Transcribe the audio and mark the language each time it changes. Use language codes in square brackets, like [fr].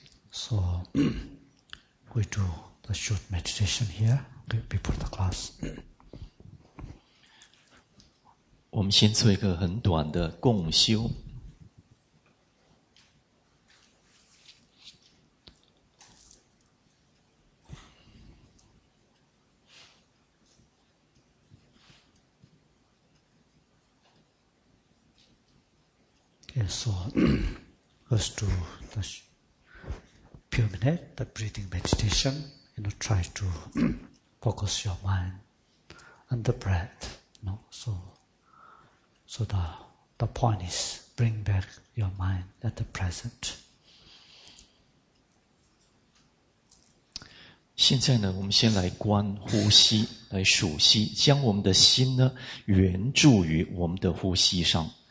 [en] So, we do the short meditation here before the class. [zh] 我们先做一个很短的共修。 [en] So, let's do the few minutes, the breathing meditation. You know, try to focus your mind on the breath. You know, so the point is bring back your mind at the present. [zh] 现在呢，我们先来观呼吸，来数息，将我们的心呢，原注于我们的呼吸上。